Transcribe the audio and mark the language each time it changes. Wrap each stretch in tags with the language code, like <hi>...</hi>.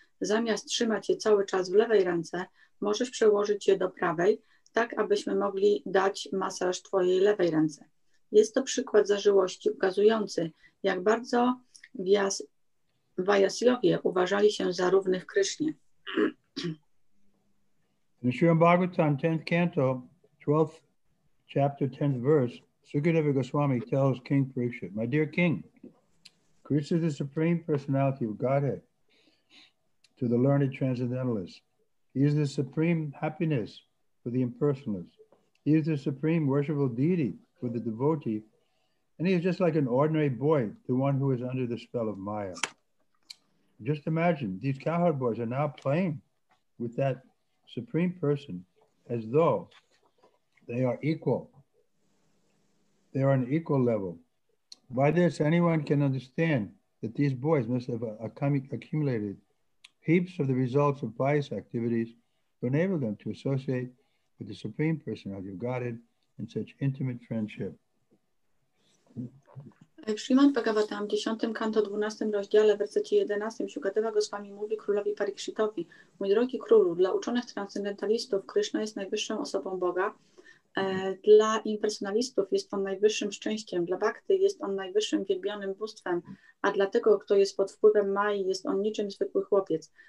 <pl>Zamiast trzymać je cały czas w lewej ręce, możesz przełożyć je do prawej, tak abyśmy mogli dać masaż twojej lewej ręce. Jest to przykład zażyłości ukazujący, jak bardzo Vaisyowie uważali się za równych Krysznie.</pl> <en>W Śrimad Bhagavatam 10th canto, 12th chapter, 10th verse, Sukadeva Goswami tells King Parikshit, my dear King, Krishna is the supreme personality of Godhead to the learned transcendentalists. He is the supreme happiness for the impersonalists. He is the supreme worshipful deity for the devotee. And he is just like an ordinary boy, the one who is under the spell of Maya. Just imagine, these cowherd boys are now playing with that supreme person as though they are equal. They are on an equal level. By this, anyone can understand that these boys must have accumulated heaps of the results of pious activities to enable them to associate with the supreme personality of Godhead in such intimate friendship.</en> <pl>W Śrimad Bhagavatam 10 kanto 12 rozdziale w wersecie 11 Śukadeva Goswami mówi królowi Parikshitowi: mój drogi królu, dla uczonych transcendentalistów Krishna jest najwyższą osobą Boga. Dla impersonalistów jest on najwyższym szczęściem, dla bhakty jest on najwyższym wielbionym bóstwem, a dla tego, kto jest pod wpływem Mai, jest on niczym zwykły chłopiec.</pl>